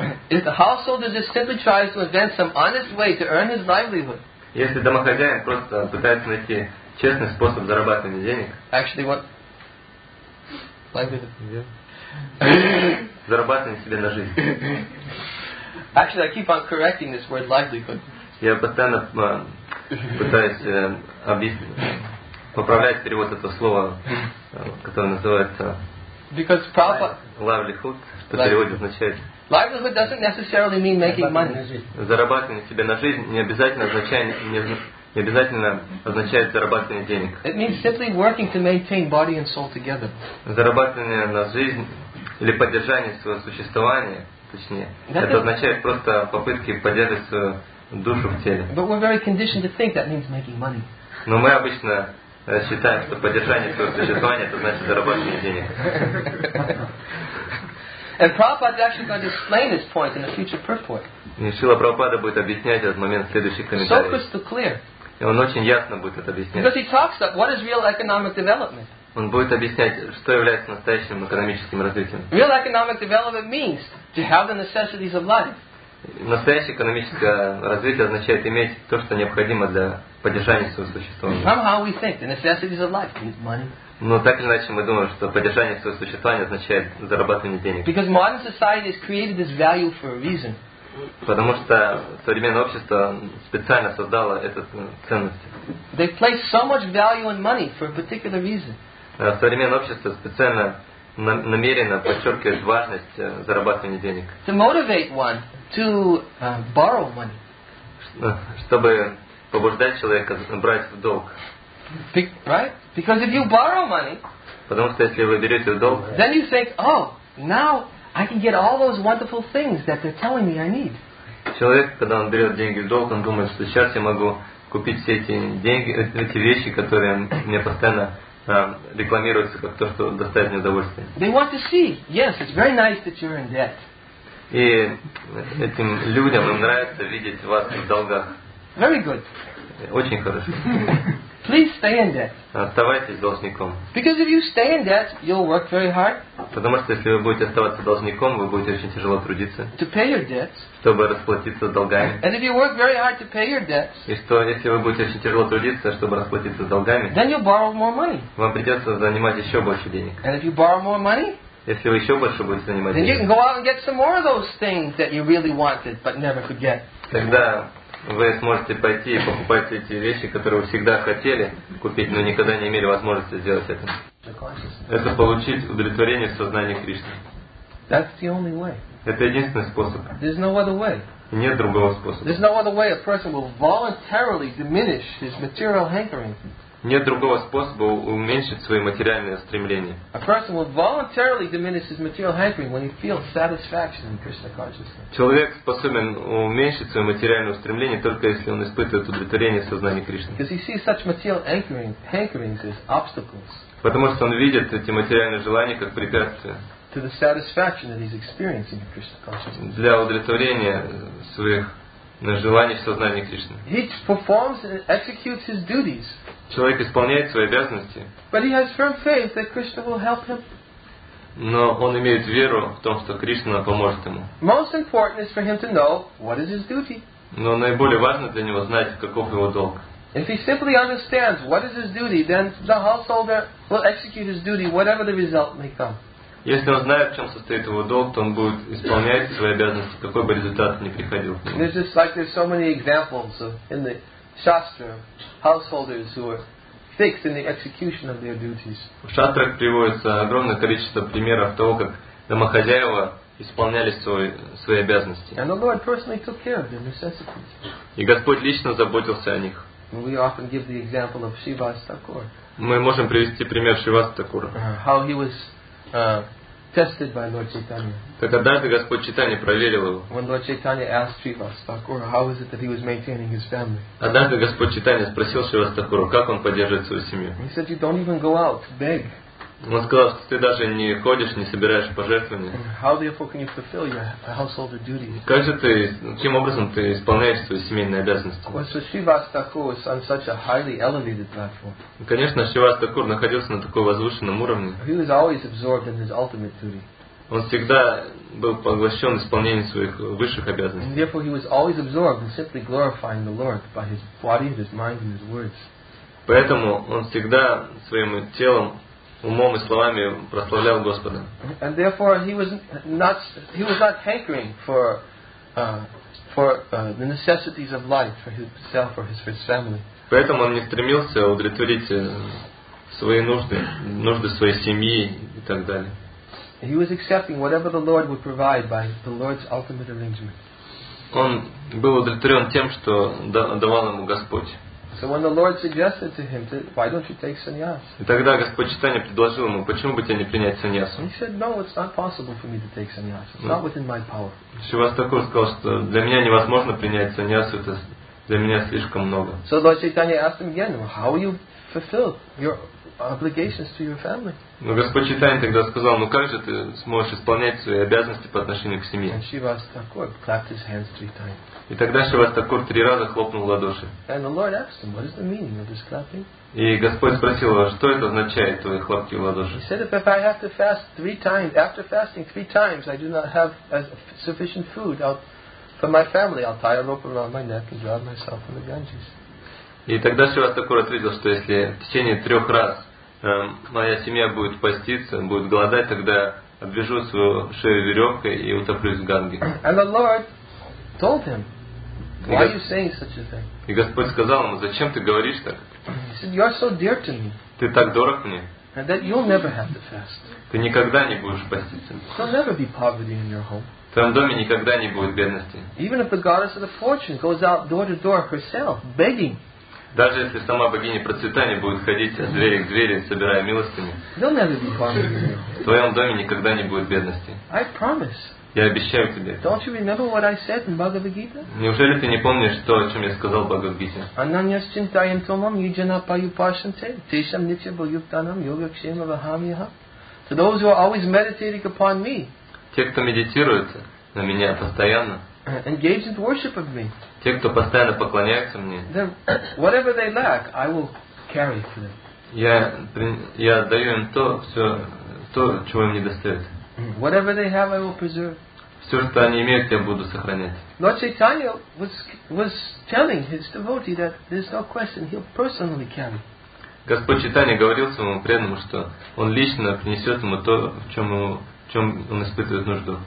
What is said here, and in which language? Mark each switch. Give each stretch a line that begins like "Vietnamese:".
English: If the householder just simply tries to invent some honest way to earn his livelihood.
Russian: Если домохозяин просто пытается найти честный способ зарабатывания денег.
English: Actually, what? Livelihood.
Russian: Зарабатывание себе на жизнь.
English: Actually, I keep on correcting this word livelihood.
Russian: Я постоянно пытаюсь объяснить, поправлять перевод этого слова, которое называется.
English: Because Prabhupada.
Russian: Livelihood. Что перевод означает?
English: Livelihood doesn't necessarily mean making money.
Russian: Зарабатывание себе на жизнь не обязательно означает зарабатывание денег.
English: It means simply working to maintain body and soul together.
Russian: Зарабатывание на жизнь или поддержание своего существования, точнее, that это означает просто попытки поддерживать свою душу в теле.
English: But we're very conditioned to think that means making money.
Russian: Но мы обычно считаем, что поддержание своего существования это значит зарабатывание денег.
English: And Prabhupada is actually going to explain this point in a future purport.
Russian: И Шрила Прабхупада будет объяснять этот момент в следующих комментариях.
English: So crystal clear.
Russian: И он очень ясно будет это объяснять.
English: Because he talks about what is real economic development.
Russian: Он будет объяснять, что является настоящим экономическим развитием.
English: Real economic development means to have the necessities of life.
Russian: Настоящее экономическое развитие означает иметь то, что необходимо для поддержания своего существования.
English: Somehow we think the necessities of life means money.
Russian: Но так или иначе мы думаем, что поддержание своего существования означает зарабатывание денег.
English: Because modern society has created this value for a reason.
Russian: Потому что современное общество специально создало эту ценность.
English: They place so much value in money for a particular reason.
Russian: Современное общество специально намеренно подчеркивает важность зарабатывания денег.
English: To motivate one to borrow money.
Russian: Чтобы побуждать человека брать в долг.
English: Right? Because if you borrow money,
Russian: потому что если вы берете в долг,
English: then you think, oh, now I can get all those wonderful things that they're telling me I need.
Russian: Человек, когда он берет деньги в долг, он думает, что сейчас я могу купить все эти деньги, эти вещи, которые мне постоянно рекламируются как то, что доставит мне удовольствие.
English: They want to see. Yes, it's very nice that you're in debt.
Russian: И этим людям им нравится видеть вас в долгах.
English: Very good.
Russian: Очень хорошо.
English: Please stay in debt.
Russian: Оставайтесь должником.
English: Because if you stay in debt, you'll work very hard.
Russian: Потому что если вы будете оставаться должником, вы будете очень тяжело трудиться.
English: To pay your debts.
Russian: Чтобы расплатиться долгами.
English: And if you work very hard to pay your debts.
Russian: И что, если вы будете очень тяжело трудиться, чтобы расплатиться долгами?
English: Then you'll borrow more money.
Russian: Вам придется занимать еще больше денег.
English: And if you borrow more money.
Russian: Если вы еще больше будете занимать
English: then Then you can go out and get some more of those things that you really wanted but never could get.
Russian: Тогда вы сможете пойти и покупать эти вещи, которые вы всегда хотели купить, но никогда не имели возможности сделать это. Это получить удовлетворение в сознании Кришны.
English: That's the only way.
Russian: Это единственный способ.
English: There's no other way.
Russian: Нет другого способа.
English: There's no other way a person will voluntarily diminish his material hankering.
Russian: Нет другого способа уменьшить свои материальные стремления.
English: A person will voluntarily diminish his material hankering when he feels satisfaction in Krishna consciousness.
Russian: Человек способен уменьшить свое материальное стремление только если он испытывает удовлетворение в сознании Кришны.
English: Because he sees such material hankerings as obstacles.
Russian: Потому что он видит эти материальные желания как препятствия.
English: To the satisfaction that he's experiencing in Krishna consciousness.
Russian: Для удовлетворения своих желаний в сознании Кришны.
English: He performs and executes his duties.
Russian: Человек исполняет свои обязанности.
English: But he has firm faith that Krishna will help him.
Russian: Но он имеет веру в том, что Кришна поможет ему.
English: Most important is for him to know what is his duty.
Russian: Но наиболее важно для него знать, каков его долг.
English: If he simply understands what is his duty, then the householder will execute his duty, whatever the result may come.
Russian: Если он знает, в чем состоит его долг, то он будет исполнять свои обязанности, какой бы результат ни приходил.
English: There's just like there's so many examples of, in the Shastra, householders who are fixed in the execution of their duties.
Russian: В шатрах приводится огромное количество примеров того, как домохозяева исполняли свои обязанности.
English: And the Lord personally took care of their necessities.
Russian: И Господь лично заботился о них.
English: We often give the example of Shivas Thakur.
Russian: Мы можем привести пример Шивас Такура.
English: How he was tested by Lord Chaitanya.
Russian: Как однажды Господь Чайтанья проверил его.
English: When Lord Chaitanya asked Shivas Thakur, how is it that he was maintaining his family?
Russian: Однажды Господь Чайтанья спросил Шивас Такуру, как он поддерживает свою семью.
English: He said, you don't even go out to beg.
Russian: Он сказал, что ты даже не ходишь, не собираешь пожертвования.
English: How therefore can you fulfill your household duties?
Russian: Как же ты, каким образом ты исполняешь свои семейные обязанности?
English: Well, so Shivas Thakur was on such a highly elevated platform.
Russian: Конечно, Шивас Такур находился на таком возвышенном уровне.
English: He was always absorbed in his ultimate duty.
Russian: Он всегда был поглощен исполнением своих высших обязанностей.
English: And therefore he was always absorbed in simply glorifying the Lord by his body, his mind, and his words.
Russian: Поэтому он всегда своим телом, умом и словами прославлял Господа.
English: And therefore he was not hankering for the necessities of life for himself or his family.
Russian: Поэтому он не стремился удовлетворить свои нужды своей семьи и так далее.
English: He was accepting whatever the Lord would provide by the Lord's ultimate arrangement.
Russian: Он был удовлетворен тем, что давал ему Господь.
English: So when the Lord suggested to him, why don't you take sannyas?
Russian: И тогда Господь Чайтанья предложил ему, почему бы тебе не принять саньясу?
English: He said, no, it's not possible for me to take sannyas. It's not within my power.
Russian: Шивас Такур сказал, что для меня невозможно принять саньясу, это для меня слишком много.
English: So Lord Chaitanya asked him again, well, how will you fulfill your obligations to your family?
Russian: Но Господь Чайтанья тогда сказал, ну как же ты сможешь исполнять свои обязанности по отношению к семье?
English: And Шивас Такур clapped his hands three times.
Russian: И тогда Шивас Такур три раза хлопнул в ладоши.
English: And the Lord asked him, what is the meaning of this clapping?
Russian: И Господь спросил его, что это означает, твои хлопки в ладоши?
English: He said, if I have to fast three times, after fasting three times, I do not have sufficient food for my family, I'll tie a rope around my neck and drown myself in the Ganges.
Russian: И тогда Шивас Такур ответил, что если в течение трех раз моя семья будет поститься, будет голодать, тогда обвяжу свою шею веревкой и утоплюсь в Ганге.
English: And the Lord told him, why are you saying such a thing?
Russian: И Господь сказал ему, зачем ты говоришь так?
English: He said, you are so dear to me.
Russian: Ты так дорог мне.
English: And that you'll never have to fast.
Russian: Ты никогда не будешь поститься.
English: There'll never be poverty in your home.
Russian: В твоем доме никогда не будет бедности.
English: Even if the goddess of the fortune goes out door to door herself, begging.
Russian: Даже если сама богиня процветания будет ходить от двери к двери, собирая милостыни, в твоем доме никогда не будет бедности.
English: I promise.
Russian: Я обещаю тебе.
English: Don't you remember what I said in Bhagavad Gita?
Russian: Неужели ты не помнишь то, о чем я сказал в Бхагавад-гите?
Sanskrit: Ананьяс чинтайам томам йоджана паюпашанте тешам нитья бхуктанам йога кшема вахамьяха.
English: To those who are always meditating upon me.
Russian: Те, кто медитирует на меня постоянно.
English: Engage in worship of me.
Russian: Те, кто постоянно поклоняется мне.
English: Then, whatever they lack, I will carry for them.
Russian: Я даю им то, все, то, чего им не достает.
English: Whatever they have, I will preserve.
Russian: Все, что они имеют, я буду сохранять.
English: Lord Chaitanya was telling his devotee that there's no question he'll personally carry.
Russian: Господь Чайтанья говорил своему преданному, что он лично принесет ему то, в чем он испытывает нужду.